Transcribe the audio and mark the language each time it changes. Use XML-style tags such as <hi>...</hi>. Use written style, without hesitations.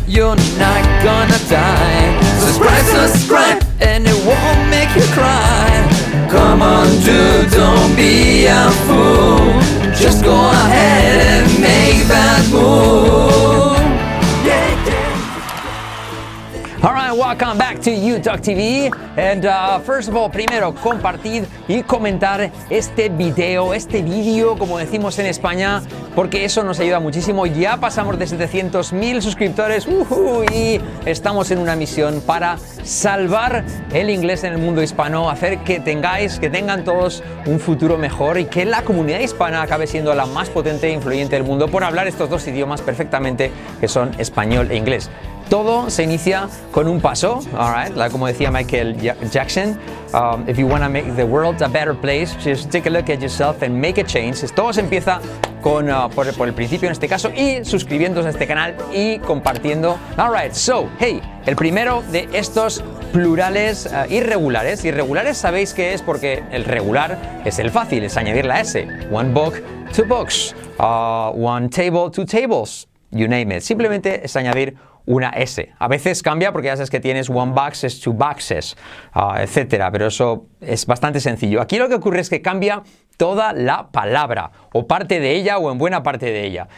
<en>You're not gonna die. Subscribe. And it won't make you cry. Come on, dude, don't be a fool. Just go ahead and make that move. All right, welcome back to YouTalk TV. And first of all,</en> <es>primero, compartir y comentar este video, como decimos en España, porque eso nos ayuda muchísimo. Ya pasamos de 700,000 suscriptores, y estamos en una misión para salvar el inglés en el mundo hispano, hacer que tengáis, que tengan todos un futuro mejor y que la comunidad hispana acabe siendo la más potente e influyente del mundo por hablar estos dos idiomas perfectamente, que son español e inglés. Todo se inicia con un paso,</es> <en>all right? Like,</en> <es>como decía Michael Jackson,</es> <en>if you want to make the world a better place, just take a look at yourself and make a change.</en> <es>Todo se empieza con, por el principio en este caso, y suscribiéndose a este canal y compartiendo.</es> <en>All right, so, hey,</en> <es>el primero de estos plurales irregulares. Irregulares sabéis qué es porque el regular es el fácil, es añadir la S.</es> <en>One book, two books, one table, two tables, you name it.</en> <es>Simplemente es añadir una S. A veces cambia porque ya sabes que tienes</es> <en>one box, two boxes,</en> <es>etcétera, pero eso es bastante sencillo. Aquí lo que ocurre es que cambia toda la palabra, o parte de ella, o en buena parte de ella.</es>